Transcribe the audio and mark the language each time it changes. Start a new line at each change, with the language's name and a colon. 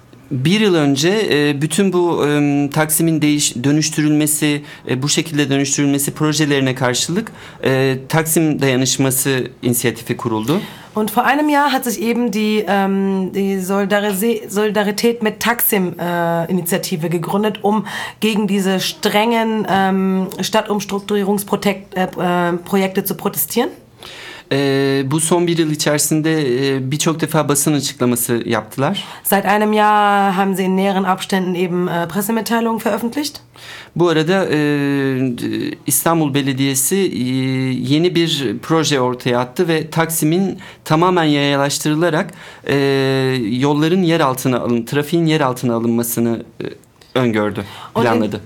Turkish: bir yıl önce bütün bu Taksim'in dönüştürülmesi, bu şekilde dönüştürülmesi projelerine karşılık Taksim Dayanışması inisiyatifi kuruldu.
German: Und vor einem Jahr hat sich eben die Solidarität mit Taksim-Initiative gegründet, um gegen diese strengen Stadtumstrukturierungsprojekte zu protestieren.
Turkish: Bu son bir yıl içerisinde birçok defa basın açıklaması yaptılar.
German: Seit einem Jahr haben sie in näheren Abständen eben Pressemitteilungen veröffentlicht.
Turkish: Bu arada İstanbul Belediyesi yeni bir proje ortaya attı ve Taksim'in tamamen yayalaştırılarak yolların yer altına alın, trafiğin yer altına alınmasını öngördü, planladı.